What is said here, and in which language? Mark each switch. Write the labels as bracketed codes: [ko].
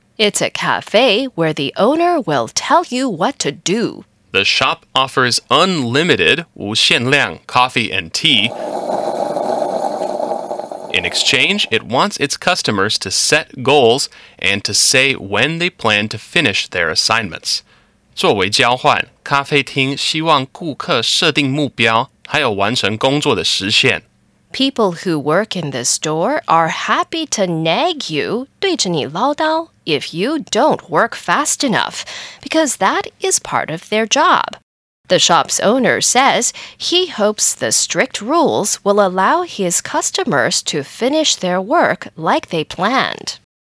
[en] It's a cafe where the owner will tell you what to do. The shop offers unlimited, 无限量, coffee and tea. In exchange, it wants its customers to set goals and to say when they plan to finish their assignments. [zh] 作为交换,咖啡厅希望顾客设定目标,还有完成工作的时限。 [en] People who work in the store are happy to nag you, [zh] 对着你唠叨, [en] if you don't work fast enough, because that is part of their job. The shop's owner says he hopes the strict rules will allow his customers to finish their work like they planned.